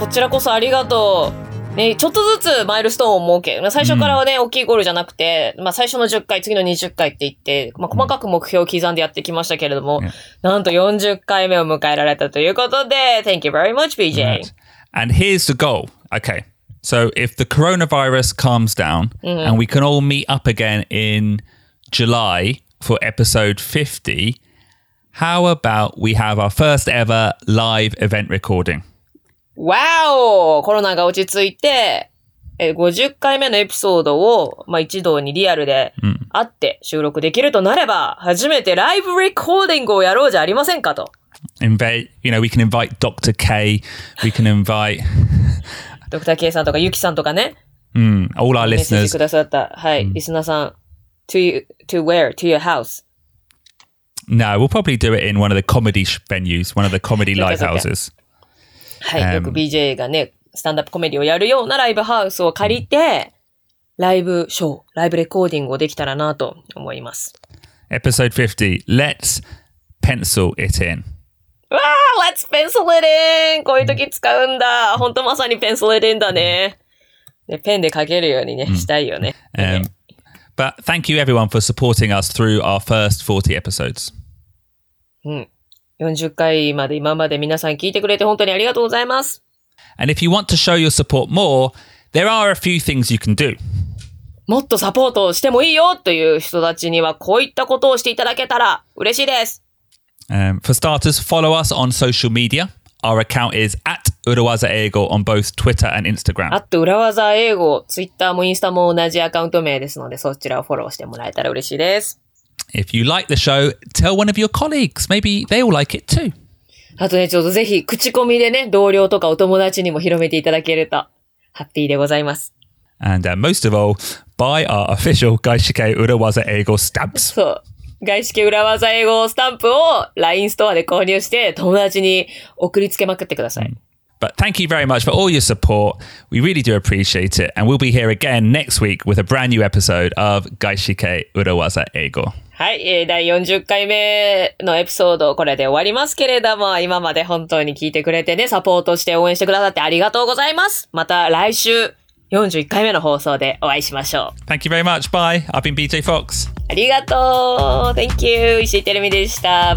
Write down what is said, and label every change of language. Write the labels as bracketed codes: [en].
[ja] こちらこそありがとう。ね、ちょっとずつマイルストーンを設け、最初からはね、大きいゴールじゃなくて、まあ最初の10回、次の20回って言って、まあ細かく目標を刻んでやってきましたけれども、なんと40回目を迎えられたということで、 [en] Thank you very much, BJ. Right. And here's the goal. Okay. So if the coronavirus calms down, and we can all meet up again in July for episode 50,How about we have our first ever live event recording? Wow! [ja] コロナが落ち着いて、50回目のエピソードを、まあ、一堂にリアルで会って収録できるとなれば、初めてライブレコーディングをやろうじゃありませんかと。 [en] You know, we can invite Dr. K. We can invite... Dr. [ja] K さんとかユキさんとかね。 [en] All our listeners. [ja] メッセージくださった。はい。リスナーさん。 [en] To where? To your house? No, we'll probably do it in one of the comedy venues, one of the comedy lighthouses. [ja] はい、よく BJ がね、スタンダップコメディをやるようなライブハウスを借りて、ライブショー、ライブレコーディングをできたらなと思います。 [en] Episode 50, let's pencil it in. Wow, let's pencil it in! [ja] こういう時使うんだ。本当まさに [en] pencil it in [ja] だね。ね、ペンで書けるようにね、したいよね。 [en] But thank you everyone for supporting us through our first 40 episodes. [ja] 40回まで今まで皆さん聞いてくれて本当にありがとうございます。 [en] And if you want to show your support more, there are a few things you can do. [ja] もっとサポートしてもいいよという人たちにはこういったことをしていただけたら嬉しいです。 [en] For starters, follow us on social media. Our account is at urawazaeigo on both Twitter and Instagram. [ja] At urawazaeigo, Twitter もインスタも同じアカウント名ですので、そちらをフォローしてもらえたら嬉しいです。 [en] If you like the show, tell one of your colleagues. Maybe they will like it too. [ja] あとね、ちょっとぜひ口コミでね、同僚とかお友達にも広めていただけるとハッピーでございます。 [en] And most of all, buy our official 外資系urawazaeigo stamps. [ja] そう。外資系裏技英語スタンプを LINE ストアで購入して友達に送りつけまくってください。 [en] But thank you very much for all your support. We really do appreciate it. And we'll be here again next week with a brand new episode of 外資系裏技英語。 [ja] はい、第40回目のエピソードこれで終わりますけれども、今まで本当に聞いてくれてね、サポートして応援してくださってありがとうございます。また来週 41回目の放送でお会いしましょう。 [en] Thank you very much. Bye. I've been BJ Fox. [ja] ありがとう。 [en] Thank you. [ja] 石井テルミでした。